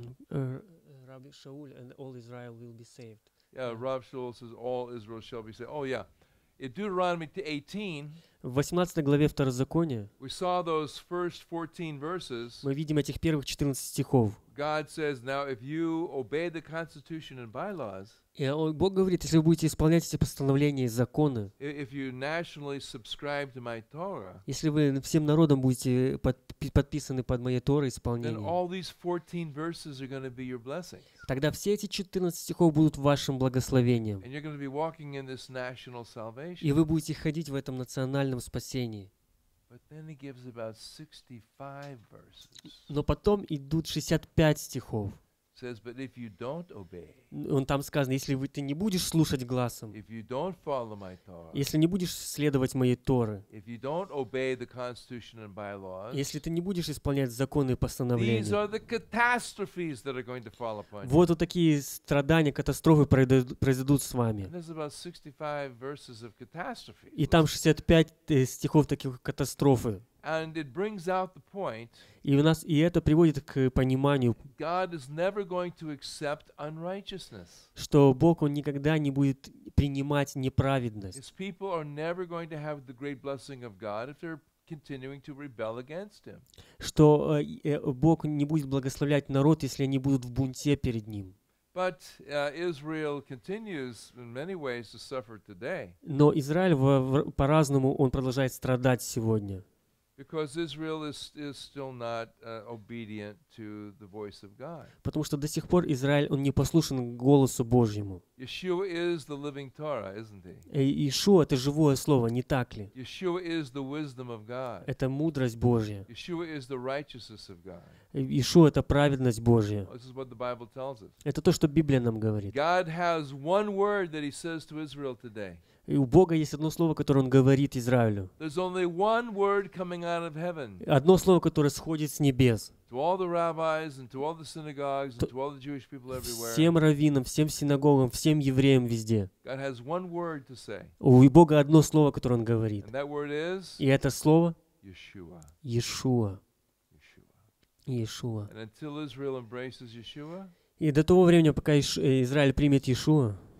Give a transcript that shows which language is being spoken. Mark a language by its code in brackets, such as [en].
[en] Rabbi Shaul and all Israel will be saved. Yeah, Rabbi Shaul says all Israel shall be saved. Oh yeah, in Deuteronomy 18. [ru] В 18 главе Второзакония. [en] We saw those first 14 verses. [ru] Мы видим этих первых 14 стихов. [en] God says, "Now, if you obey the Constitution and bylaws, [ru] Бог говорит, если вы будете исполнять эти постановления и законы, [en] if you nationally subscribe to my Torah, [ru] если вы всем народом будете подписаны под моей Торой исполнение, [en] then all these 14 verses are going to be your blessing. [ru] Тогда все эти 14 стихов будут вашим благословением, [en] and you're going to be walking in this national salvation. [ru] И вы будете ходить в этом национальном спасении." [en] But then he gives about 65 verses. [ru] Но потом идут 65 стихов. [en] Says, but if you don't obey. [ru] Он там сказано, если вы ты не будешь слушать гласом. [en] If you don't follow my Torah. [ru] Если не будешь следовать моей Торы. [en] If you don't obey the Constitution and bylaws. [ru] Если ты не будешь исполнять законы и постановления. [en] These are the catastrophes that are going to fall upon you. [ru] Вот такие страдания, катастрофы произойдут с вами. [en] And there's about 65 verses of catastrophe. [ru] И там 65 стихов таких катастрофы. [en] And it brings out the point. [ru] И у нас и это приводит к пониманию. [en] God is never going to accept unrighteousness. [ru] Что Бог он никогда не будет принимать неправедность. [en] His people are never going to have the great blessing of God if they're continuing to rebel against Him. [ru] Что Бог не будет благословлять народ, если они будут в бунте перед Ним. [en] But Israel continues in many ways to suffer today. [ru] Но Израиль по-разному он продолжает страдать сегодня. [en] Because Israel is still not obedient to the voice of God. [ru] Потому что до сих пор Израиль он не послушен голосу Божьему. [en] Yeshua is the living Torah, isn't he? [ru] Иешуа — это живое слово, не так ли? [en] Yeshua is the wisdom of God. [ru] Это мудрость Божья. [en] Yeshua is the righteousness of God. [ru] Иешуа — это праведность Божья. [en] This is what the Bible tells us. [ru] Это то, что Библия нам говорит. [en] God has one word that he says to Israel today. [ru] И у Бога есть одно слово, которое Он говорит Израилю. [en] There's only one word coming out of heaven. [ru] Одно слово, которое сходит с небес. [en] To all the rabbis and to all the synagogues and to all the Jewish people everywhere. [ru] Всем раввинам, всем синагогам, всем евреям везде. [en] God has one word to say. [ru] У Бога одно слово, которое Он говорит. [en] And that word is. [ru] И это слово. [en] Yeshua. [ru] Иешуа. [en] Иешуа. And until Israel embraces Yeshua. [ru] И до того времени, пока Израиль примет Иешуа.